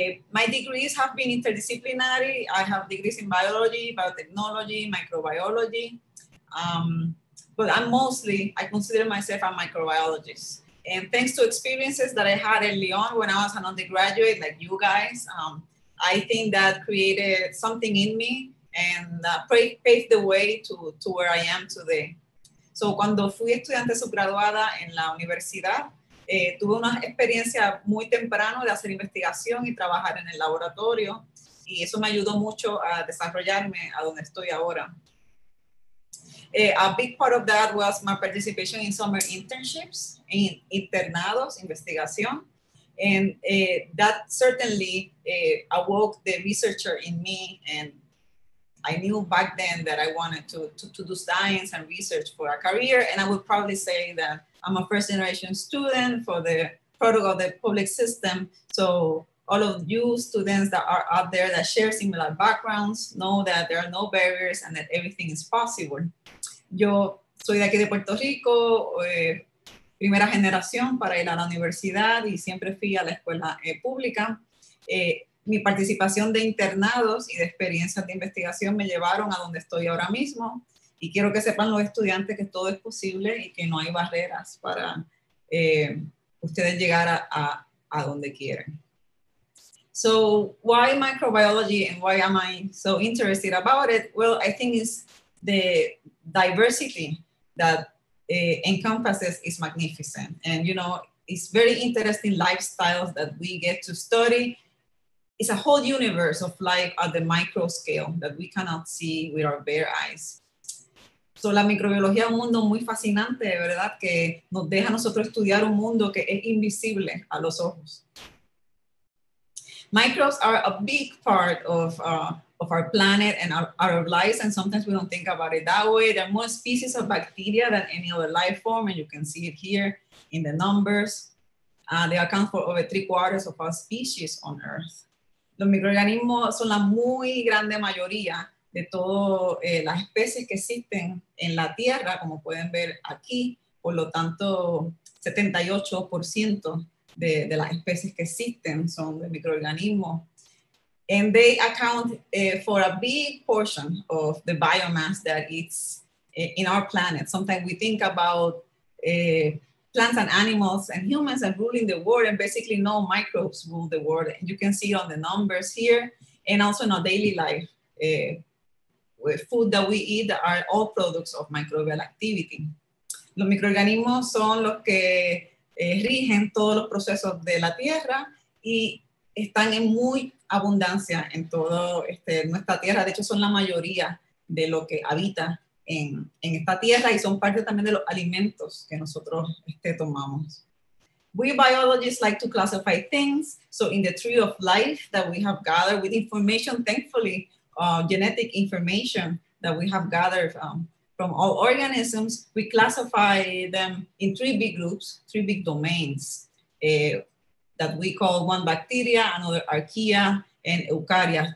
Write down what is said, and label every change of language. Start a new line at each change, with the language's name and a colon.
English: My degrees have been interdisciplinary. I have degrees in biology, biotechnology, microbiology, but I'm mostly, I consider myself a microbiologist. And thanks to experiences that I had early on when I was an undergraduate, like you guys, I think that created something in me and paved the way to where I am today.
Spanish: So cuando fui estudiante subgraduada en la universidad, tuve una experiencia muy temprano de hacer investigación y trabajar en el laboratorio, y eso me ayudó mucho a desarrollarme a donde estoy ahora.
English: A big part of that was my participation in summer internships, in
Spanish: internados, investigación.
English: And that certainly awoke the researcher in me. And I knew back then that I wanted to do science and research for a career. And I would probably say that I'm a first generation student for the product of the public system. So all of you students that are out there that share similar backgrounds know that there are no barriers and that everything is possible.
Spanish: Yo soy de aquí de Puerto Rico, primera generación para ir a la universidad y siempre fui a la escuela pública. Mi participación de internados y de experiencias de investigación me llevaron a donde estoy ahora mismo, y quiero que sepan los estudiantes que todo es posible y que no hay barreras para ustedes llegar a donde quieran.
English: So why microbiology and why am I so interested about it? Well, I think it's the diversity that encompasses is magnificent. And you know, it's very interesting lifestyles that we get to study. It's a whole universe of life at the micro scale that we cannot see with our bare eyes.
Spanish: So la microbiología es un mundo muy fascinante, de verdad, que nos deja nosotros estudiar un mundo que es invisible a los ojos.
English: Microbes are a big part of our planet and our lives, and sometimes we don't think about it that way. There are more species of bacteria than any other life form, and you can see it here in the numbers. They account for over 3/4 of our species on Earth.
Spanish: Los microorganismos son la muy grande mayoría de todas las especies que existen en la Tierra, como pueden ver aquí. Por lo tanto, 78% de las especies que existen son de microorganismos.
English: And they account for a big portion of the biomass that eats in our planet. Sometimes we think about plants and animals and humans are ruling the world, and basically no microbes rule the world. And you can see on the numbers here, and also in our daily life, with food that we eat are all products of microbial activity.
Spanish: Los microorganismos son los que rigen todos los procesos de la tierra y están en muy abundancia en toda nuestra tierra. De hecho, son la mayoría de lo que habita en esta tierra y son parte también de los alimentos que nosotros tomamos.
English: We biologists like to classify things. So in the tree of life that we have gathered with information, thankfully, genetic information that we have gathered from all organisms, we classify them in three big groups, three big domains that we call one bacteria, another archaea, and eukarya.